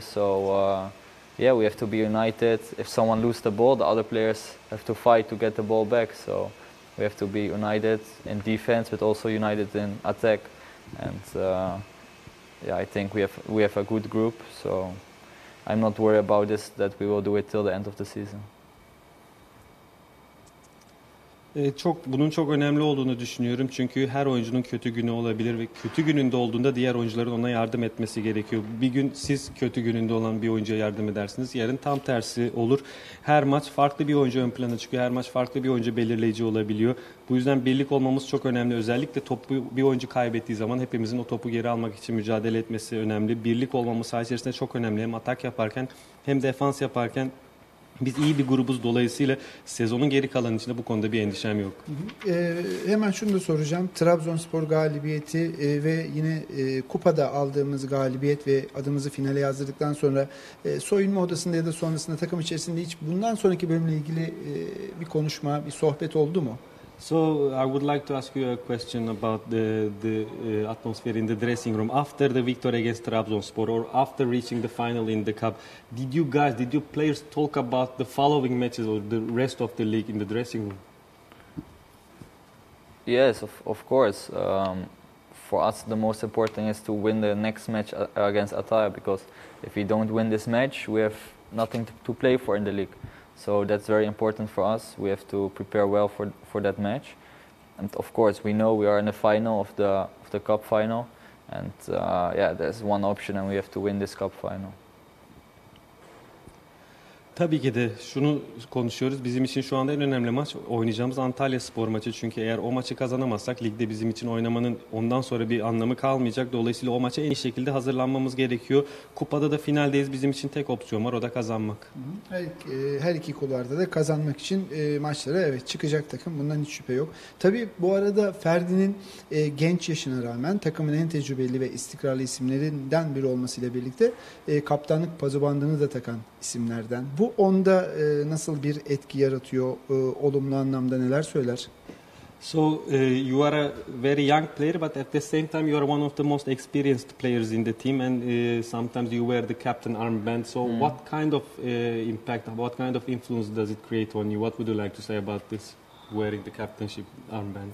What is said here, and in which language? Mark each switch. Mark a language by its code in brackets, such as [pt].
[en] So we have to be united. If someone loses the ball, the other players have to fight to get the ball back. So we have to be united in defense, but also united in attack. And I think we have a good group. So I'm not worried about this, that we will do it till the end of the season. [tr] Bunun çok önemli olduğunu düşünüyorum, çünkü her oyuncunun kötü günü olabilir ve kötü gününde olduğunda diğer oyuncuların ona yardım etmesi gerekiyor. Bir gün siz kötü gününde olan bir oyuncuya yardım edersiniz, yarın tam tersi olur. Her maç farklı bir oyuncu ön plana çıkıyor, her maç farklı bir oyuncu belirleyici olabiliyor. Bu yüzden birlik olmamız çok önemli. Özellikle topu bir oyuncu kaybettiği zaman hepimizin o topu geri almak için mücadele etmesi önemli. Birlik olmamız saha içerisinde çok önemli. Hem atak yaparken hem defans yaparken. Biz iyi bir grubuz, dolayısıyla sezonun geri kalanı içinde bu konuda bir endişem yok. Hemen şunu da soracağım. Trabzonspor galibiyeti ve yine kupada aldığımız galibiyet ve adımızı finale yazdırdıktan sonra soyunma odasında ya da sonrasında takım içerisinde hiç bundan sonraki bölümle ilgili bir konuşma, bir sohbet oldu mu? [en] So I would like to ask you a question about the atmosphere in the dressing room after the victory against Trabzonspor, or after reaching the final in the cup. Did you players talk about the following matches or the rest of the league in the dressing room? Yes, of course. For us, the most important is to win the next match against Ataya, because if we don't win this match, we have nothing to play for in the league. So that's very important for us. We have to prepare well for that match, and of course we know we are in the final of the cup final, and there's one option, and we have to win this cup final. [tr] Tabii ki de şunu konuşuyoruz. Bizim için şu anda en önemli maç oynayacağımız Antalya Spor maçı. Çünkü eğer o maçı kazanamazsak ligde bizim için oynamanın ondan sonra bir anlamı kalmayacak. Dolayısıyla o maça en iyi şekilde hazırlanmamız gerekiyor. Kupada da finaldeyiz. Bizim için tek opsiyon var, o da kazanmak. Her iki kulvarda da kazanmak için maçlara evet çıkacak takım. Bundan hiç şüphe yok. Tabii bu arada Ferdi'nin genç yaşına rağmen takımın en tecrübeli ve istikrarlı isimlerinden biri olmasıyla birlikte kaptanlık pazubandını da takan isimlerden. Bu onda nasıl bir etki yaratıyor? Olumlu anlamda neler söyler? [en] So you are a very young player, but at the same time you are one of the most experienced players in the team, and sometimes you wear the captain armband. So what kind of impact, what kind of influence does it create on you? What would you like to say about this, wearing the captainship armband?